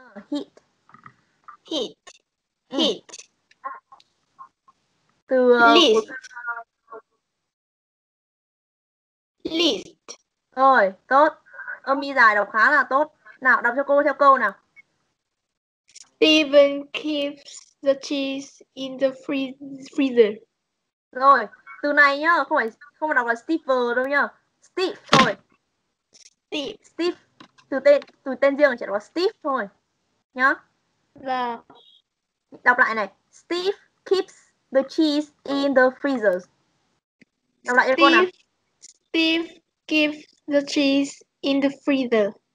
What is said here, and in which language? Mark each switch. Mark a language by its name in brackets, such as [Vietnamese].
[English] Hit. Hit. Hit. [Vietnamese] Từ [English] list. [Vietnamese] Rồi, tốt. Âm y dài đọc khá là tốt. Nào, đọc cho cô theo câu nào. [English] Steven keeps the cheese in the freezer. [Vietnamese] Rồi, từ này nhá, không phải đọc là Steven đâu nhá. Steve thôi. [English] Steve. Steve. [Vietnamese] Từ tên riêng chỉ đọc là Steve thôi. Nhá. Và. Đọc lại này. [English] Steve keeps the cheese in the freezer. [Vietnamese] Đọc lại cho cô nào. [English] Steve keeps the cheese in the freezer.